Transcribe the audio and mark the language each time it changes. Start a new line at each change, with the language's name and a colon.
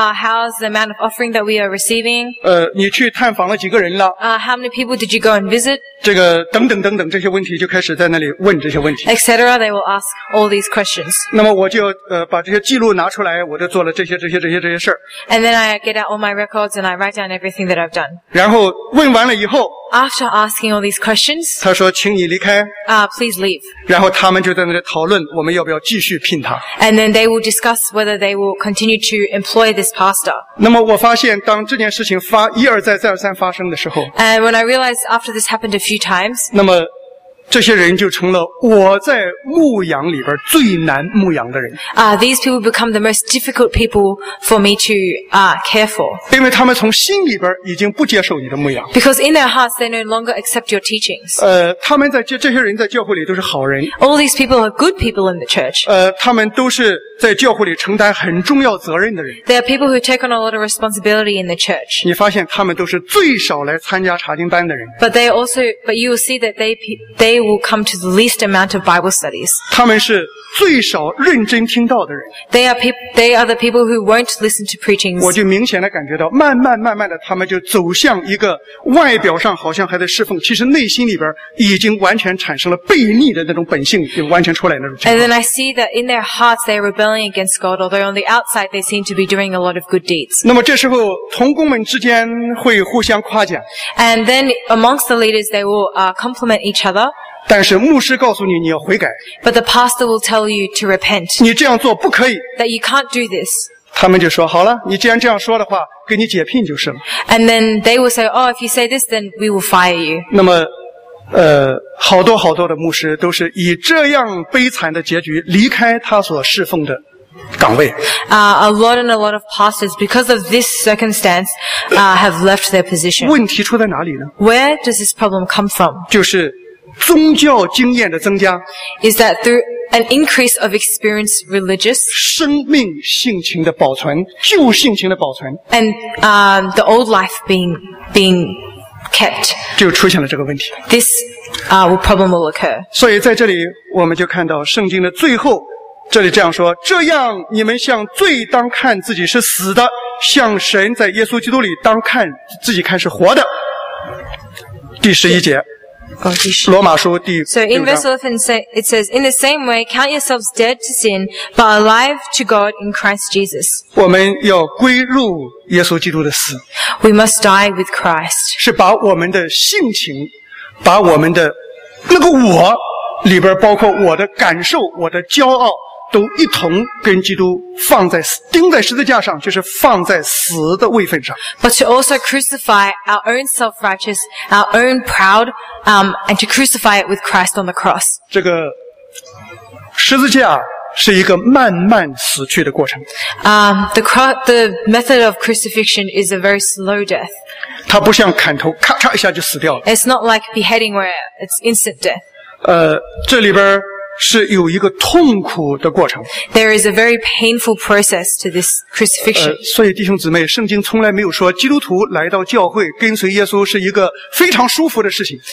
English: How's the amount of offering that we are receiving?
Chinese: 你去探访了几个人了？
English: How many people did you go and visit?
Chinese: 这个等等等等这些问题就开始在那里问这些问题。
English: Etc. They will ask all these questions.
Chinese: 那么我就把这些记录拿出来，我就做了这些事儿。
English: And then I get out all my records and I write down everything that I've done.
Chinese: 然后问完了以后。
English: After asking all these questions,
Chinese: 他说请你离开
English: please leave.
Chinese: 然后他们就在那里讨论我们要不要继续聘他。
English: And then they will discuss whether they will continue to employ this pastor.
Chinese: 那么我发现当这件事情一而再再而三发生的时候
English: And when I realized after this happened a few times,
Chinese: 那么这些人就成了我在牧羊里边最难牧羊的人。
English: These people become the most difficult people for me to care for.
Chinese: 因为他们从心里边已经不接受你的牧羊。
English: Because in their hearts they no longer accept your teachings.
Chinese: 他们在这些人在教会里都是好人。
English: All these people are good people in the church.
Chinese: 他们都是在教会里承担很重要责任的人。
English: They are people who take on a lot of responsibility in the church.
Chinese: 你发现他们都是最少来参加查经班的人。
English: But you will see that they will come to the least amount of Bible studies.
Chinese: 他们是最少认真听道的人。
English: They are the people who won't listen to preachings.
Chinese: 我就明显地感觉到慢慢慢慢地他们就走向一个外表上好像还在侍奉，其实内心里边已经完全产生了悖逆的那种本性，就完全出来那种情况。
English: And then I see that in their hearts they are rebelling against God, although on the outside they seem to be doing a lot of good deeds.
Chinese: 那么这时候同工们之间会互相夸奖。
English: And then amongst the leaders they will compliment each other.
Chinese: 但是牧师告诉你你要悔改。
English: But the pastor will tell you to repent.
Chinese: 你这样做不可以。
English: That you can't do this.
Chinese: 他们就说好了，你既然这样说的话，给你解聘就是了。
English: And then they will say, oh, if you say this, then we will fire you.
Chinese: 那么，好多好多的牧师都是以这样悲惨的结局离开他所侍奉的岗位。
English: A lot and a lot of pastors, because of this circumstance, have left their position.
Chinese: 问题出在哪里呢？
English: Where does this problem come from?
Chinese: 就是宗教经验的增加
English: is that through an increase of experience religious
Chinese: 生命性情的保存，旧性情的保存
English: and the old life being kept
Chinese: 就出现了这个问题。
English: This problem will occur.
Chinese: 所以在这里我们就看到圣经的最后，这里这样说，这样你们向罪当看自己是死的，向神在耶稣基督里当看自己看是活的。第十一节罗马书第六章。
English: So in verse 11 it says, in the same way, count yourselves dead to sin, but alive to God in Christ Jesus.
Chinese: 我们要归入耶稣基督的死。
English: We must die with Christ.
Chinese: 是把我们的性情，把我们的那个我里边包括我的感受，我的骄傲，都一同跟基督放在钉在十字架上，就是放在死的位份上。
English: But to also crucify our own self-righteous, our own proud, and to crucify it with Christ on the cross.
Chinese: 这个十字架是一个慢慢死去的过程。
English: The method of crucifixion is a very slow death.
Chinese: 它不像砍头，咔嚓一下就死掉了。
English: It's not like beheading where it's instant death.
Chinese: 这里边是有一个痛苦的过程。
English: There is a very painful process to this crucifixion.
Chinese: 所以弟兄姊妹，圣经从来没有说基督徒来到教会跟随耶稣是一个非常舒服的事情。